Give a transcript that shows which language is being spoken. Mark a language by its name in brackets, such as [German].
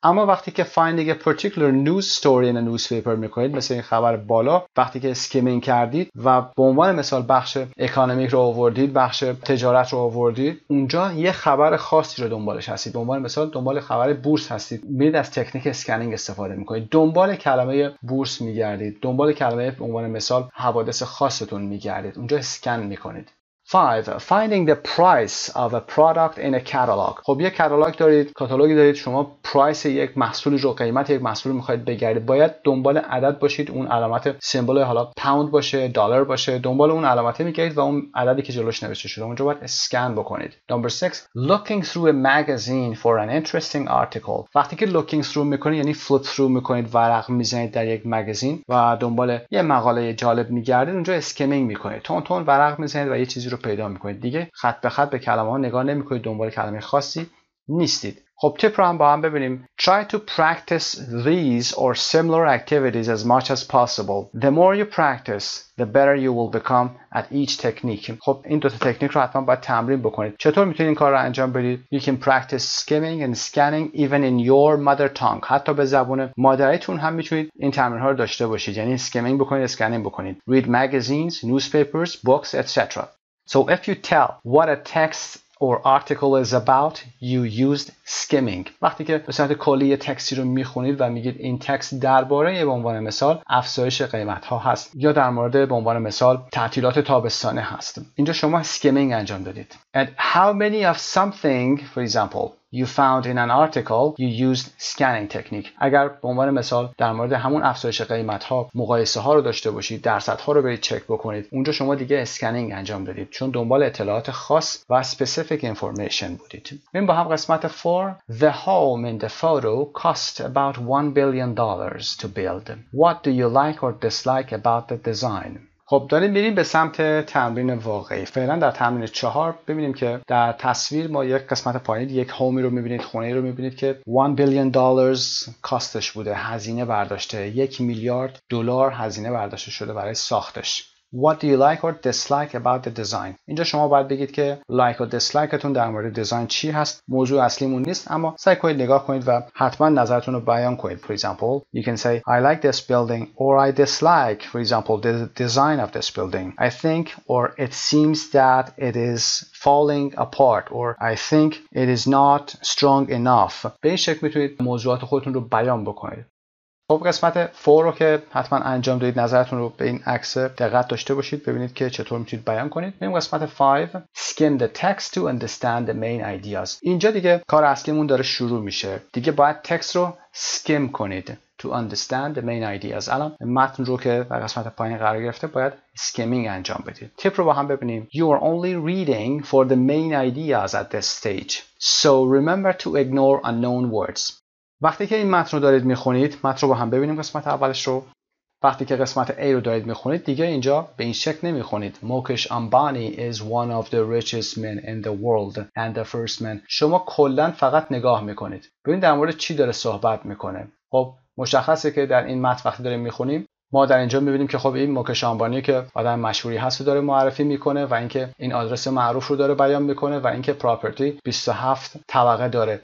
[Persian] اما وقتی که [English] finding a particular news story in a newspaper [Persian] میکنید، مثل این خبر بالا، وقتی که اسکیمینگ کردید و به عنوان مثال بخش اکانومیک رو آوردید، بخش تجارت رو آوردید، اونجا یه خبر خاصی رو دنبالش هستید، به عنوان مثال دنبال خبر بورس هستید، میرید از تکنیک اسکنینگ استفاده میکنید، دنبال کلمه بورس میگردید، دنبال کلمه به عنوان مثال حوادث خاصتون میگردید، اونجا سکن میکنید. [English] 5. Finding the price of a product in a catalog. [Persian] خب یه کاتالوگ دارید، کاتالوگی دارید، شما پرایس یک محصولی رو، قیمت یک محصول رو میخواید بگردید، باید دنبال عدد باشید، اون علامت سمبل حالا پوند باشه، دلار باشه، دنبال اون علامته میگردید و اون عددی که جلوش نوشته شده اونجا باید اسکن بکنید. [English] Number 6. Looking through a magazine for an interesting article. [Persian] وقتی که [English] looking through [Persian] میکنید، یعنی [English] flip through [Persian] میکنید، ورق میزنید در یک مگزین و دنبال یه مقاله جالب میگردید، اونجا اسکیمینگ میکنید، تون تون ورق میزنید و یه چیزی رو پیدا میکنید، دیگه خط به خط به کلمه ها نگاه نمی کنید، دنبال کلمه خاصی نیستید. خب تیپ رو هم با هم ببینیم. [English] Try to practice these or similar activities as much as possible. The more you practice, the better you will become at each technique. [Persian] خب این دو تا تکنیک رو حتما باید تمرین بکنید. چطور میتونید این کار رو انجام بدید؟ [English] You can practice skimming and scanning even in your mother tongue. [Persian] حتی به زبان مادریتون هم میتونید این تمرین ها رو داشته باشید. یعنی skimming بکنید، scanning بکنید. [English] Read magazines, newspapers, books, etc. So if you tell what a text or article is about, you used skimming. [Persian] وقتی که به صورت کلی یه تکستی رو میخونید و میگید این تکست درباره به عنوان مثال افزایش قیمت ها هست، یا در مورد به عنوان مثال تعطیلات تابستانه هست، اینجا شما skimming انجام دادید. [English] And how many of something, for example, you found in an article, you used scanning technique. [Persian] اگر به عنوان مثال در مورد همون افزایش قیمت ها مقایسه ها رو داشته باشید، درصد ها رو برید چک بکنید، اونجا شما دیگه اسکنینگ انجام بدید، چون دنبال اطلاعات خاص و specific information بودید. این با هم قسمت 4. [English] The home in the photo cost about $1 billion to build. What do you like or dislike about the design? [Persian] خب داریم میریم به سمت تمرین واقعی. فعلا در تمرین 4 ببینیم که در تصویر ما یک قسمت پایین یک هومی رو میبینید، خونه‌ای رو میبینید که $1 billion کاستش بوده، هزینه برداشته، 1 میلیارد دلار هزینه برداشته شده برای ساختش. [English] What do you like or dislike about the design؟ [Persian] اینجا شما باید بگید که [English] like or dislike [Persian] تون در مورد دیزاین چی هست. موضوع اصلیمون نیست، اما سعی کنید نگاه کنید و حتما نظرتون رو بیان کنید. [English] For example, you can say I like this building or I dislike, for example, the design of this building. I think or it seems that it is falling apart or I think it is not strong enough. [Persian] به این شکل میتونید موضوعات خودتون رو بیان بکنید. خب قسمت 4 رو که حتما انجام دادید، نظرتون رو به این عکس دقت داشته باشید، ببینید که چطور میتونید بیان کنید. بریم قسمت 5، [English] skim the text to understand the main ideas. [Persian] اینجا دیگه کار اصلیمون داره شروع میشه، دیگه باید تکست رو skim کنید [English] to understand the main ideas. [Persian] الان متن رو که در قسمت پایین قرار گرفته باید skimming انجام بدید. تیپ رو با هم ببینیم. [English] You are only reading for the main ideas at this stage, so remember to ignore unknown words. [Persian] وقتی که این متن رو دارید میخونید، متن رو با هم ببینیم، قسمت اولش رو، وقتی که قسمت A رو دارید میخونید دیگه اینجا به این شکل نمیخونید. [English] Mukesh Ambani is one of the richest men in the world and the first man. [Persian] شما کلن فقط نگاه میکنید، ببینید در مورد چی داره صحبت میکنه. خب مشخصه که در این متن وقتی داریم میخونیم، ما در اینجا میبینیم که خب این مکش آمبانی که آدم مشهوری هست رو داره معرفی میکنه و اینکه این آدرس معروف رو داره بیان میکنه و اینکه پراپرتی 27 طبقه داره.